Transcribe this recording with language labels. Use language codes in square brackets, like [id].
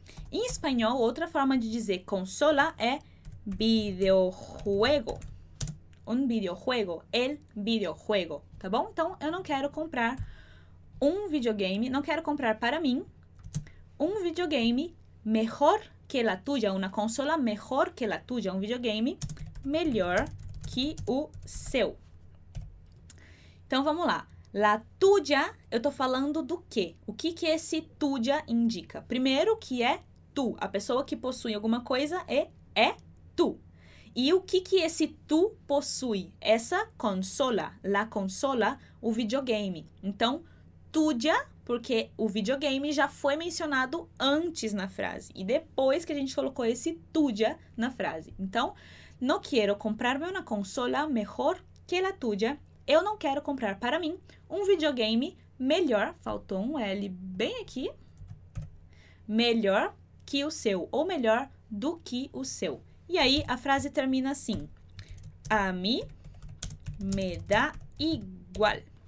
[pt] Em espanhol, outra forma de dizer consola é videojuego. [es] Un videojuego, el videojuego, tá bom? [pt] Então, eu não quero comprar um videogame, não quero comprar para mim um videogame [es] mejor que la tuya, [pt] una consola mejor que la tuya, un videogame melhor que o seu. Então, vamos lá. [es] La tuya, [pt] eu tô falando do quê? O que que esse tuya indica? Primeiro, que é tu. A pessoa que possui alguma coisa é tu. E o que que esse tu possui? Essa consola, la consola, o videogame. Então, tuya, porque o videogame já foi mencionado antes na frase. E depois que a gente colocou esse tuya na frase. [es] Então, no quiero comprarme una consola mejor que la tuya. [pt] Eu não quero comprar para mim um videogame melhor. Faltou um L bem aqui. Melhor que o seu. Ou melhor do que o seu. E aí, a frase termina assim. A mim me dá igual.